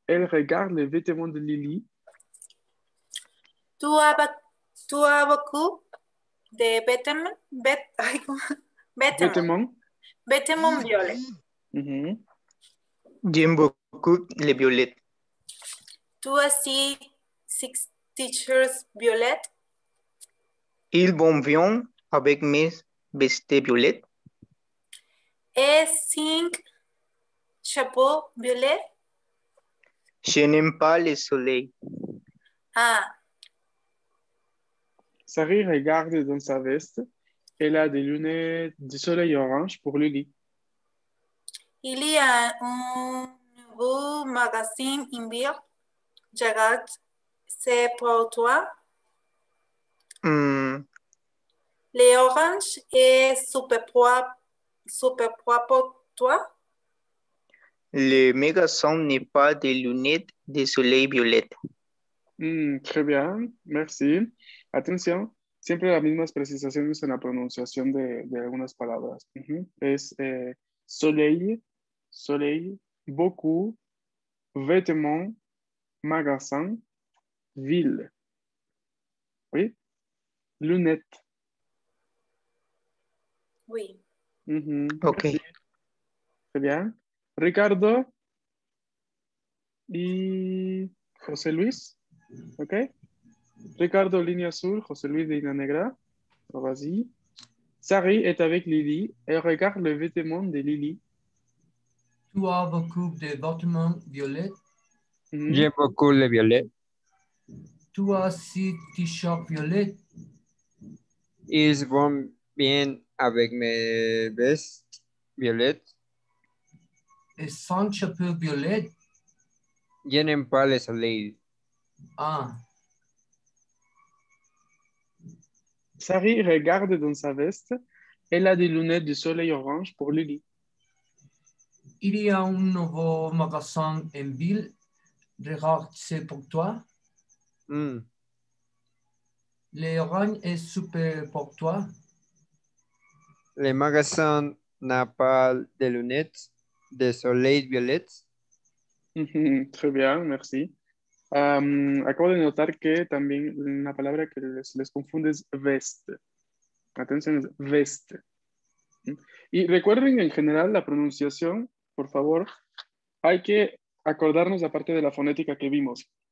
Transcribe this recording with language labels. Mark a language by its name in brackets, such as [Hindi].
[French] Elle regarde les vêtements de Lily. Tu as beaucoup de vêtements violets. J'aime beaucoup les violets. Tu as six t-shirts violets. Ils vont bien avec mes vestes violets. Et cinq chapeaux violets. Je n'aime pas le soleil. Ah. Sari regarde dans sa veste. Elle a des lunettes de soleil orange pour Lily. Il y a un nouveau magazine en ville. Gérard, c'est pour toi. Les oranges et super poids pour toi. Le magasin n'est pas des lunettes de soleil violette. Très bien, merci. [Spanish] Atención, siempre las mismas precisaciones en la pronunciación de algunas palabras. Es soleil, beaucoup, vêtements, magasin, ville. [French] ¿Oui? Lunette. Oui. Ok. Très bien. Ricardo y José Luis. Ok. [Spanish] Ricardo, línea azul, José Luis, línea negra. [French] Vas-y. Sari est avec Lily. Elle regarde le vêtement de Lily. Tu as beaucoup de vêtements violets. J'aime beaucoup les violets. Tu as six t-shirts violets. Ils vont bien avec mes vestes violettes. Et cinq chapeaux violets. Je n'aime pas le soleil. Ah. Sari regarde dans sa veste. Elle a des lunettes de soleil orange pour Lily. il y a un nouveau magasin en ville. Regarde, c'est pour toi. Mm. Les oranges est super pour toi. Le magasin n'a pas de lunettes de soleil violette. Très bien, merci. [Spanish] Acabo de notar que también una palabra que les confunde es veste. Atención, es veste. Y recuerden en general la pronunciación, por favor, hay que acordarnos la parte de la fonética que vimos.